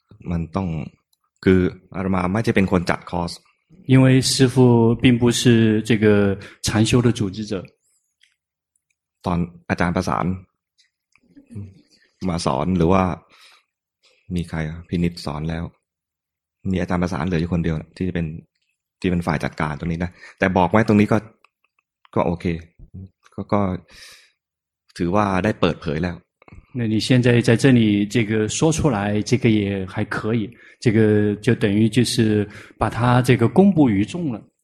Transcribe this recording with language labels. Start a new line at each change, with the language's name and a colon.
Thai: มันต้องคืออาตมาไม่ใช่เป็นคนจัดคอร์ส
Chinese: 因为师父并不是这个禅修的组织者
Thai: ตอนอาจารย์ประสานมาสอนหรือว่ามีใครพินิจสอนแล้วมีอาจารย์ประสานเหลืออยู่คนเดียวที่เป็นฝ่ายจัดการตรงนี้นะแต่บอกไว้ตรงนี้ก็โอเคก็ถือว่าได้เปิดเผยแล้ว
Chinese: 那你现在在这里这个说出来这个也还可以这个就等于就是把它这个公布于众了